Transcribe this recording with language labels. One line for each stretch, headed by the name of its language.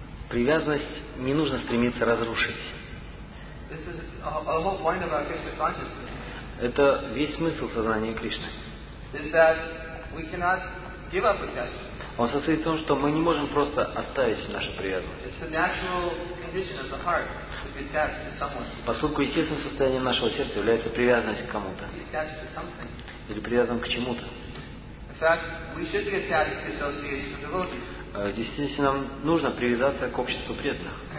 Russian: Привязанность не нужно стремиться разрушить.
English: This is a whole point of our Krishna consciousness.
Russian: Это весь смысл сознания Кришны.
English: Is that we cannot give up attachment.
Russian: Он состоит в том, что мы не можем просто оставить нашу привязанность.
English: It's the natural condition of the heart to be attached to someone.
Russian: Поскольку естественным состоянием нашего сердца является привязанность к кому-то.
English: Attached to something.
Russian: Или привязан к чему-то.
English: In fact, we should be attached to association with devotees.
Russian: Действительно, нам нужно привязаться к обществу преданных.